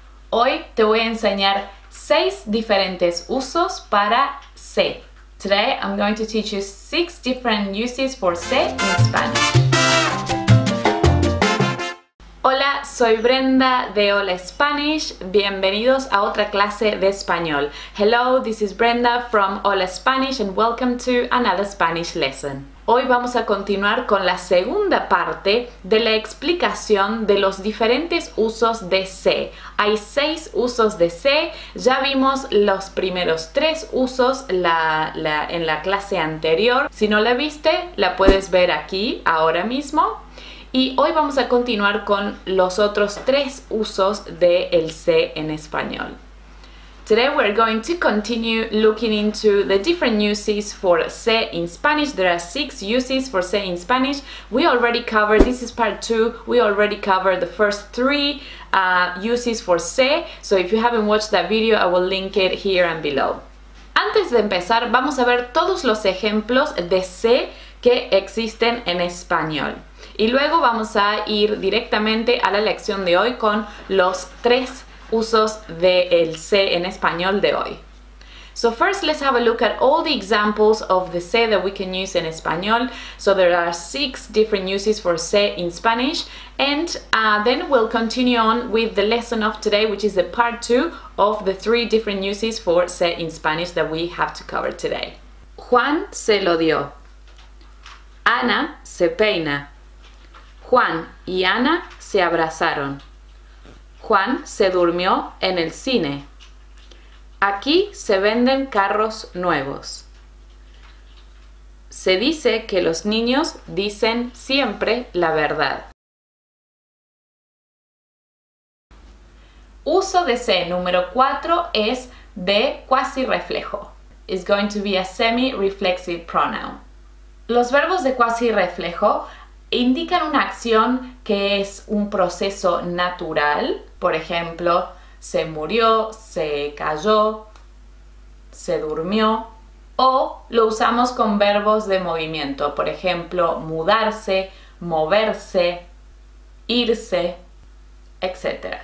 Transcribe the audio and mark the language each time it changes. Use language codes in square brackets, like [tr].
[es] Hoy te voy a enseñar 6 diferentes usos para se. [en] Today I'm going to teach you 6 different uses for se in Spanish. [es] Hola, soy Brenda de Hola Spanish. Bienvenidos a otra clase de español. [en] Hello, this is Brenda from Hola Spanish and welcome to another Spanish lesson. [es] Hoy vamos a continuar con la segunda parte de la explicación de los diferentes usos de se. Hay 6 usos de se. Ya vimos los primeros 3 usos en la clase anterior. Si no la viste, la puedes ver aquí ahora mismo. Y hoy vamos a continuar con los otros 3 usos de el se en español. [en] Today we're going to continue looking into the different uses for se in Spanish. There are 6 uses for se in Spanish. We already covered, this is part 2, we already covered the first 3 uses for se. So if you haven't watched that video, I will link it here and below. [es] Antes de empezar, vamos a ver todos los ejemplos de se que existen en español. Y luego vamos a ir directamente a la lección de hoy con los 3 usos de el se en español de hoy. [en] So first let's have a look at all the examples of the se that we can use in español. So there are 6 different uses for se in Spanish. And then we'll continue on with the lesson of today, which is the part 2 of the 3 different uses for se in Spanish that we have to cover today. [es] Juan se lo dio. Ana se peina. Juan y Ana se abrazaron. Juan se durmió en el cine. Aquí se venden carros nuevos. Se dice que los niños dicen siempre la verdad. Uso de se número 4 es de cuasi reflejo. [en] It's going to be a semi-reflexive pronoun. [es] Los verbos de cuasi reflejo indican una acción que es un proceso natural, por ejemplo, se murió, se cayó, se durmió, o lo usamos con verbos de movimiento, por ejemplo, mudarse, moverse, irse, etc.